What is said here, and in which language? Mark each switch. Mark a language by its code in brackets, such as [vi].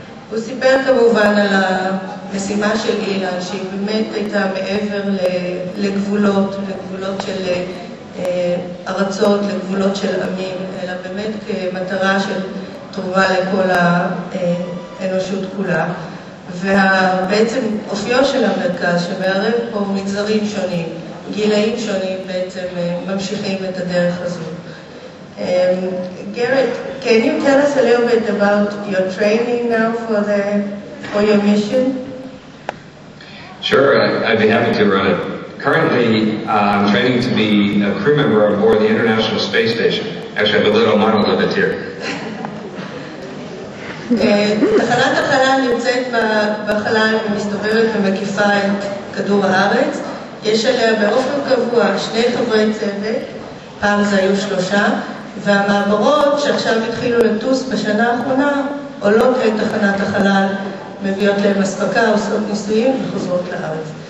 [he] הוא סיפר כמובן על המשימה של אילן, שהיא באמת הייתה מעבר לגבולות, לגבולות של ארצות, לגבולות של עמים, אלא באמת כמטרה של תרומה לכל האנושות כולה. ובעצם אופיו של המרכז, שמערב פה מגזרים שונים, גילאים שונים בעצם ממשיכים את הדרך הזו. [en] Garret, can you tell us a little bit about your training now for your mission? Sure, I'd be happy to, Rona. Currently, I'm training to be a crew member aboard the International Space Station. Actually, I have a little model of it here. [he] תחנת החלל נמצאת בחלל ומסתובבת ומקיפה את כדור הארץ. יש עליה באופן קבוע שני חברי צוות, פעם זה היו שלושה, והמעברות שעכשיו התחילו לטוס בשנה האחרונה עולות את תחנת החלל, מביאות להם הספקה, עושות ניסויים וחוזרות לארץ.